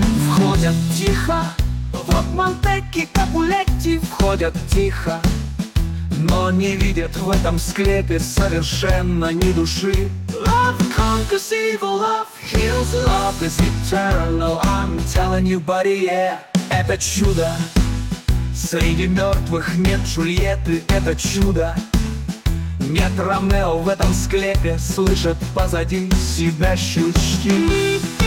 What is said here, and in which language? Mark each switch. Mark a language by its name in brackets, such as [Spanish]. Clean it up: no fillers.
[Russian] Входят тихо, вот Монтекки, Капулетти входят тихо, но не видят в этом склепе совершенно ни души. [English] Love conquers evil, love heals, love is eternal, I'm telling you, buddy, yeah. [Russian] Это чудо, среди мертвых нет Джульетты, это чудо. Нет Ромео в этом склепе, слышат позади себя щелчки.